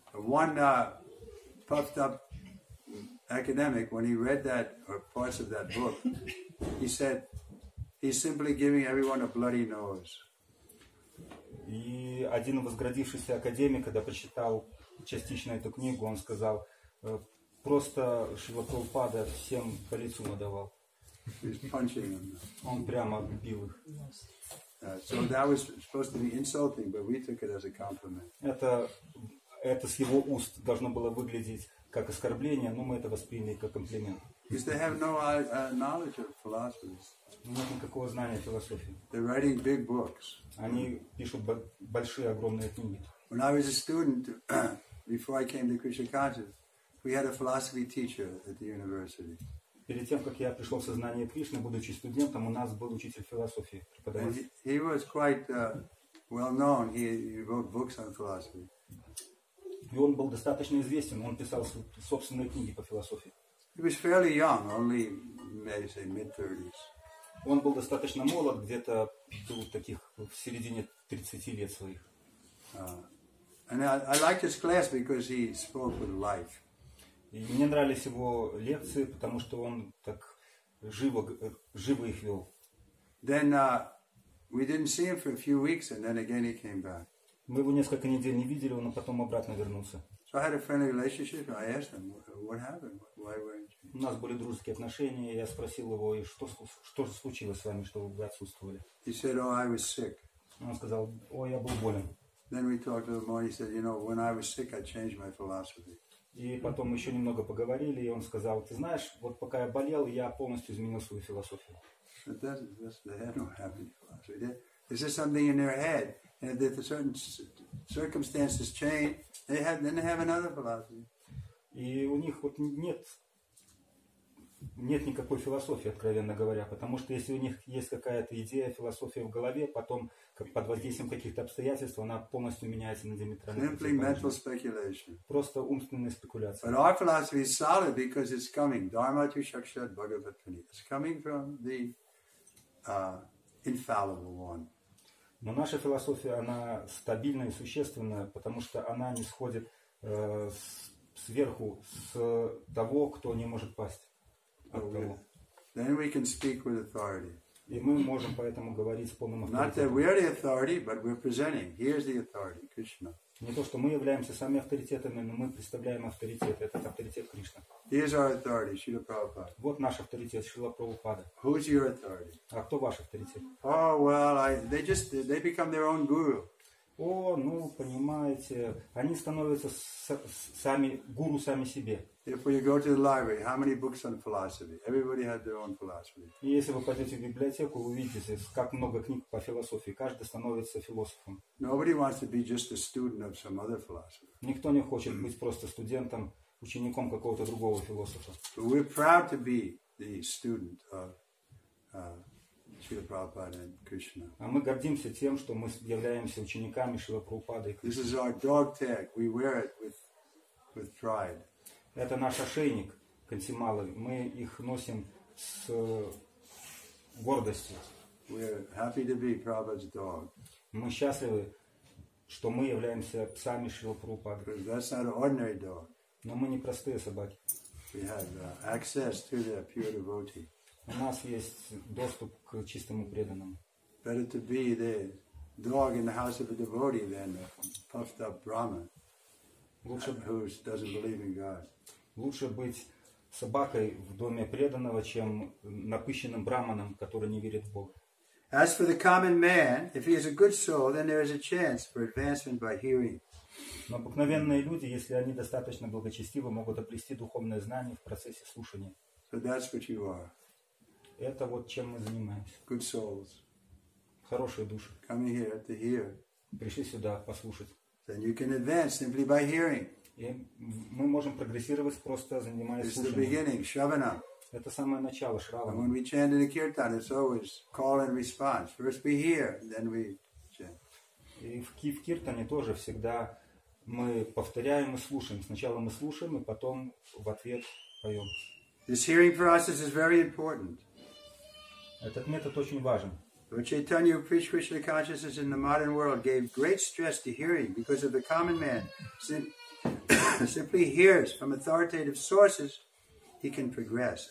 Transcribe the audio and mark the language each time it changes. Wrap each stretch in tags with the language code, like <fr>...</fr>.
<en>One puffed up academic, when he read that or parts of that book, he said he's simply giving everyone a bloody nose.</en> <ru>И один возгордившийся академик, когда прочитал частично эту книгу, он сказал, просто Шрила Прабхупада всем по лицу надавал.</ru> <en>He's punching them.</en> <ru>Он прямо бил их.</ru> <en>So that was supposed to be insulting, but we took it as a compliment.</en> <ru>Это с его уст должно было выглядеть как оскорбление, но мы это восприняли как комплимент.</ru> <en>Because they have no knowledge of philosophies.</en> <ru>Нет никакого знания философии.</ru> <en>They're writing big books.</en> <ru>Они пишут большие, огромные книги.</ru> <en>When I was a student, before I came to Krishna consciousness, we had a philosophy teacher at the university.</en> <ru>Перед тем, как я пришел в сознание Кришны, будучи студентом, у нас был учитель философии, преподаватель.</ru> <en>He was quite well known. He wrote books on philosophy.</en> <ru>И он был достаточно известен. Он писал собственные книги по философии.</ru> <en>He was fairly young, only maybe say mid-30s.</en> <ru>Он был достаточно молод, где-то был таких в середине 30 лет своих.</ru> <en>And I liked his class because he spoke with life.</en> <ru>И мне нравились его лекции, потому что он так живо их вел.</ru> <en>Then We didn't see him for a few weeks, and then again he came back.</en> <ru>Мы его несколько недель не видели, он потом обратно вернулся.</ru> <en>So I had a friendly relationship, and I asked him, "What happened? Why weren't you?"</en> <ru>У нас были дружеские отношения, я спросил его, и что же случилось с вами, что вы отсутствовали?</ru> <en>He said, "Oh, I was sick."</en> <ru>Он сказал, "О, я был болен."</ru> <en>Then we talked a little more. He said, "You know, when I was sick, I changed my philosophy."</en> <ru>И потом еще немного поговорили, и он сказал, ты знаешь, вот пока я болел, я полностью изменил свою философию.</ru> <en>Is there something in their head? And if certain circumstances change, then they have another philosophy.</en> <ru>И у них вот нет никакой философии, откровенно говоря, потому что если у них есть какая-то идея, философия в голове, потом под воздействием каких-то обстоятельств она полностью меняется на диаметрально. Просто умственная спекуляция.</ru> <en>But our philosophy is solid because it's coming.</en> <sa>Dharma tu shakshat bhagavat pani.</sa> <en>It's coming from the infallible one.</en> <ru>Но наша философия, она стабильна и существенна, потому что она не сходит сверху, с того, кто не может пасть.</ru> <en>Okay. Then we can speak with authority.</en> <ru>И мы можем поэтому говорить с полным авторитетом.</ru> <en>Not that we are the authority, but we're presenting. Here's the authority, Krishna.</en> <ru>Не то, что мы являемся сами авторитетами, но мы представляем авторитет. Это авторитет Кришна.</ru> <en>Here's our authority, Шрила Прабхупада.</en> <ru>Вот наш авторитет, Шрила Прабхупада.</ru> <en>Who's your authority?</en> <ru>А кто ваш авторитет?</ru> <en>Oh well, they become their own guru.</en> <ru>О, ну понимаете, они становятся сами гуру сами себе.</ru> <en>If you go to the library, how many books on philosophy? Everybody had their own philosophy.</en> <ru>Если вы пойдете в библиотеку, вы увидите, как много книг по философии. Каждый становится философом.</ru> <en>Nobody wants to be just a student of some other philosopher.</en> <ru>Никто не хочет быть просто студентом, учеником какого-то другого философа.</ru> <en>But we're proud to be the student of Шрила Прабхупада and Кришна.</en> <ru>А мы гордимся тем, что мы являемся учениками Шрила Прабхупады и Кришны.</ru> <en>This is our dog tag. We wear it with pride.</en> <ru>Это наш ошейник, кантималы. Мы их носим с гордостью.</ru> <en>We're happy to be Prabhupada's dog.</en> <ru>Мы счастливы, что мы являемся псами Шрила Прабхупады.</ru> <en>Because that's not an ordinary dog.</en> <ru>Но мы не простые собаки.</ru> <en>We have access to the pure devotee.</en> <ru>У нас есть доступ к чистому преданному.</ru> <en>Better to be the dog in the house of a devotee than a puffed up Brahman.</en> <ru>Лучше,</ru> <en>who doesn't believe in God.</en> <ru>Лучше быть собакой в доме преданного, чем напыщенным браманом, который не верит в Бога.</ru> <en>As for the common man, if he is a good soul, then there is a chance for advancement by hearing.</en> <ru>Но обыкновенные люди, если они достаточно благочестивы, могут обрести духовное знание в процессе слушания.</ru> <en>So that's what you are.</en> <ru>Это вот чем мы занимаемся.</ru> <en>Good souls.</en> <ru>Хорошие души.</ru> <en>Come here to hear.</en> <ru>Пришли сюда послушать.</ru> <en>Then you can advance simply by hearing.</en> <ru>И мы можем прогрессировать просто занимаясь слушанием.</ru> <en>This is the beginning, shravana.</en> <ru>Это самое начало, шравана.</ru> <en>And when we chant in the kirtan, it's always call and response. First we hear, then we chant.</en> <ru>И в киртане тоже всегда мы повторяем и слушаем. Сначала мы слушаем, и потом в ответ поем.</ru> <en>This hearing process is very important.</en> <ru>Этот метод очень важен.</ru> <en>Lord Chaitanya, who preached Krishna consciousness in the modern world, gave great stress to hearing because of the common man simply hears from authoritative sources, he can progress.</en>